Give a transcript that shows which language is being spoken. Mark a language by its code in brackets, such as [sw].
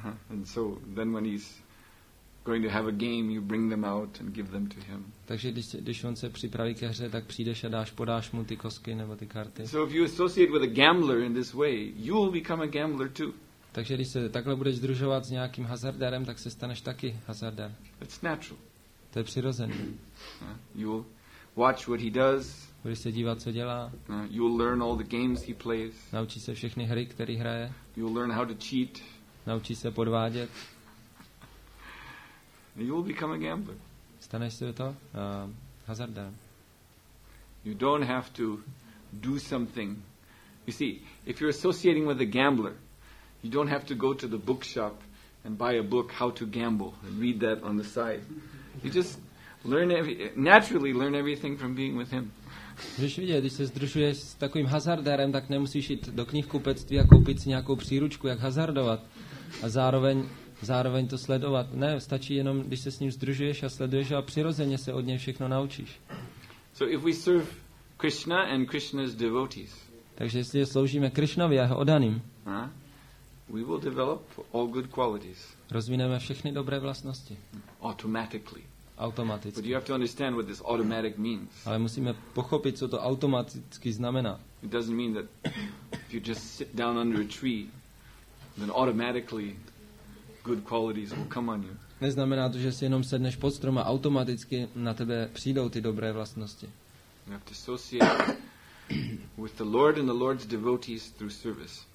[en] And so then when he's going to have a game, you bring them out and give them to him. [cs] Takže když on se připraví ke hře, tak přijdeš a podáš mu ty kosky nebo ty karty. [en] So if you associate with a gambler in this way, you will become a gambler too. [cs] Takže když se takhle budeš družovat s nějakým hazardérem, tak se staneš taky hazardér. [en] It's natural. [cs] To je přirozené. [en] You watch what he does. [cs] Budeš se dívat, co dělá. [en] You learn all the games he plays. [cs] Naučí se všechny hry, které hraje. [en] You learn how to cheat. [cs] Naučí se podvádět. [en] You will become a gambler. [cs] Staneš se to hazardem. [en] You don't have to do something. You see, if you're associating with a gambler, you don't have to go to the bookshop and buy a book, How to Gamble, and read that on the side. You just naturally learn everything from being with him. [cs] Když vidíš, když se združuješ s takovým hazardérem, tak nemusíš jít do knihkupectví a koupit si nějakou příručku, jak hazardovat a zároveň to sledovat. Ne, stačí jenom, když se s ním združuješ a sleduješ a přirozeně se od něj všechno naučíš. [en] So if we serve Krishna and Krishna's devotees, [cs] takže jestli sloužíme Krishnovi a jeho oddaným, [en] we will develop all good qualities. [cs] Rozvineme všechny dobré vlastnosti. [en] Automatically. [cs] Automaticky. [en] But you have to understand what this automatic means. [cs] Ale musíme pochopit, co to automaticky znamená. [en] It doesn't mean that if you just sit down under a tree, then automatically good qualities will come on you. [cs] Neznamená to, že si jenom sedneš pod strom a automaticky na tebe přijdou ty dobré vlastnosti. [en] You have to associate with the Lord and the Lord's devotees through service.